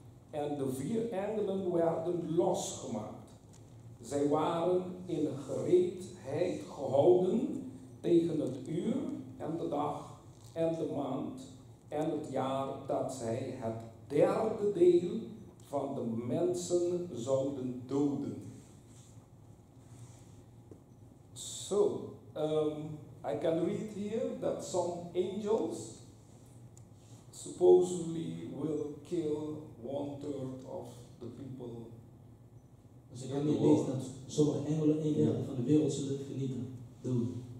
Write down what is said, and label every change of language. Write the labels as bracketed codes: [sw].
[nl] En de vier engelen werden losgemaakt. Zij waren in gereedheid gehouden tegen het uur en de dag en de maand en het jaar dat zij het derde deel van de mensen zouden doden. [en] So, I can read here that some angels supposedly will kill 1/3 of the people. [nl] Dus ik heb niet lees dat sommige engelen 1/3 van de wereld zullen vernietigen, doden.